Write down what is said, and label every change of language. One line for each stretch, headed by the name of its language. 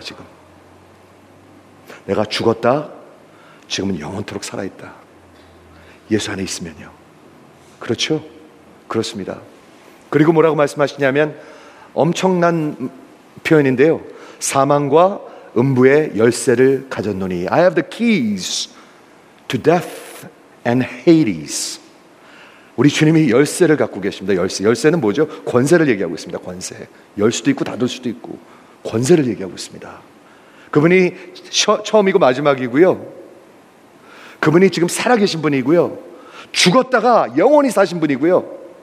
Korean: 지금 내가 죽었다. 지금은 영원토록 살아있다. 예수 안에 있으면요. 그렇죠? 그렇습니다. 그리고 뭐라고 말씀하시냐면 엄청난 표현인데요. 사망과 음부의 열쇠를 가졌노니.
English: I have the keys to death and Hades.
Korean: 우리 주님이 열쇠를 갖고 계십니다. 열쇠. 열쇠는 뭐죠? 권세를 얘기하고 있습니다. 권세. 열 수도 있고 닫을 수도 있고 권세를 얘기하고 있습니다. 그분이 처음이고 마지막이고요. 그분이 지금 살아계신 분이고요. 죽었다가 영원히 사신 분이고요.